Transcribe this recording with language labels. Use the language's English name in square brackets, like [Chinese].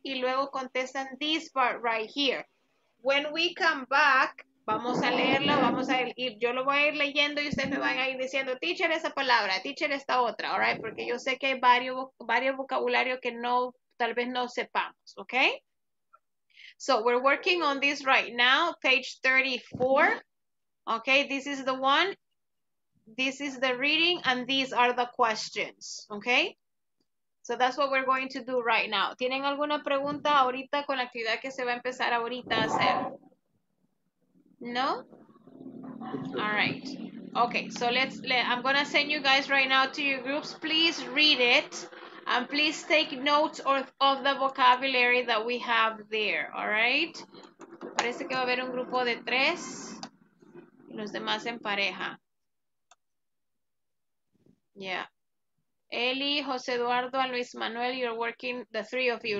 [Spanish] Y luego contestan [English] this part right here. When we come back, [Spanish] vamos a leerlo, vamos a ir, yo lo voy a ir leyendo y ustedes me van a ir diciendo, teacher, esa palabra, teacher, esta otra, [English] all right? [Spanish] Porque yo sé que hay varios vocabulario que no... Tal vez no sepamos, okay? [English] So we're working on this right now, page 34. Okay, this is the one. This is the reading and these are the questions, okay? So that's what we're going to do right now. [Spanish] ¿Tienen alguna pregunta ahorita con la actividad que se va a empezar ahorita a hacer? [English] No? All right. Okay, so I'm gonna send you guys right now to your groups. Please read it. And please take notes of the vocabulary that we have there, all right? [Spanish] Parece que va a haber un grupo de tres y los demás en pareja. [English] Yeah. Eli, José Eduardo, and Luis Manuel, you're working, the three of you.